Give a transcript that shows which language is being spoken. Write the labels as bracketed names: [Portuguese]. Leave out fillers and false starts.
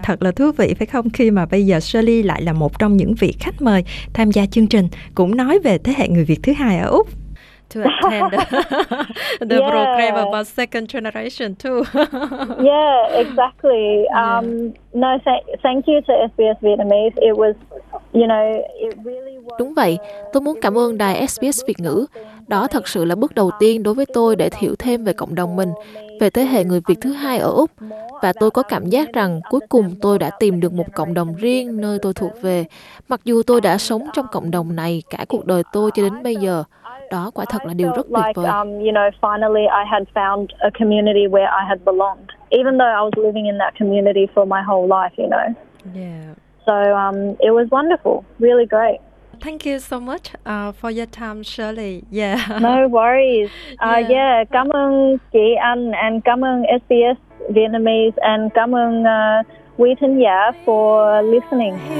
[Vietnamese] Thật là thú vị phải không, khi mà bây giờ Shirley lại là một trong những vị khách mời tham gia chương trình cũng nói về thế hệ người Việt thứ hai ở Úc. [English] To attend the program about second generation too. Yeah, exactly. No, thank you to SBS Vietnamese. It was, you know, it really was. [Vietnamese] Đúng vậy, tôi muốn cảm ơn đài SBS Việt ngữ. Đó thật sự là bước đầu tiên đối với tôi để hiểu thêm về cộng đồng mình, về thế hệ người Việt thứ hai ở Úc. Và tôi có cảm giác rằng cuối cùng tôi đã tìm được một cộng đồng riêng nơi tôi thuộc về, mặc dù tôi đã sống trong cộng đồng này cả cuộc đời tôi cho đến bây giờ. Đó quả thật là điều rất tuyệt vời. [English] You know, finally I had found a community where I had belonged, even though I was living in that community for my whole life, you know. Yeah. So it was wonderful, really great. Thank you so much for your time, Shirley. Yeah. No worries. Yeah, [Vietnamese] cảm ơn chị Anh [English] and [Vietnamese] cảm ơn SBS Vietnamese and cảm ơn quý thính giả [English] for listening.